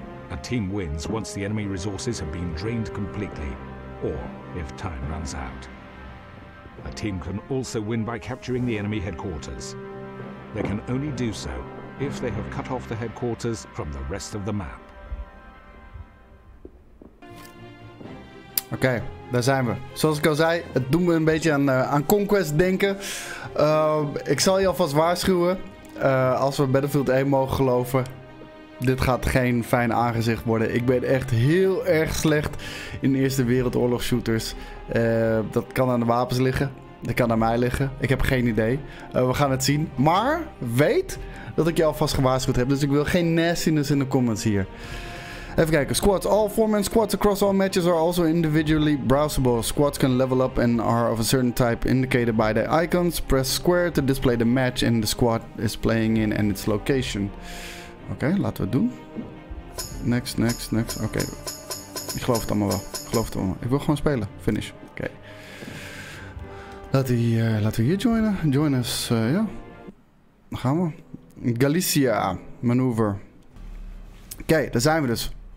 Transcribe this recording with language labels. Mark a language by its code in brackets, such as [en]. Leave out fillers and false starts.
[en] A team wins once the enemy resources have been drained completely, or if time runs out. A team can also win by capturing the enemy headquarters. They can only do so if they have cut off the headquarters from the rest of the map. [nl] Okay, daar zijn we. Zoals ik al zei, het doet me een beetje aan Conquest denken. Ik zal je alvast waarschuwen, als we Battlefield 1 mogen geloven, dit gaat geen fijn aangezicht worden. Ik ben echt heel erg slecht in Eerste Wereldoorlog shooters. Dat kan aan de wapens liggen, dat kan aan mij liggen, ik heb geen idee. We gaan het zien, maar weet dat ik je alvast gewaarschuwd heb, dus ik wil geen nastiness in de comments hier. Even kijken, squads. [en] All four-man squads across all matches are also individually browsable. Squads can level up and are of a certain type indicated by the icons. Press square to display the match and the squad is playing in and its location. [nl] Okay, laten we het doen. [en] Next, next, next. [nl] Okay. Ik geloof het allemaal wel. Ik geloof het allemaal. Ik wil gewoon spelen. [en] Finish. Okay. [nl] Laten we hier joinen. [en] Join us, [nl] ja. [en] Yeah. [nl] Dan gaan we. Galicia. Maneuver. Okay, daar zijn we dus.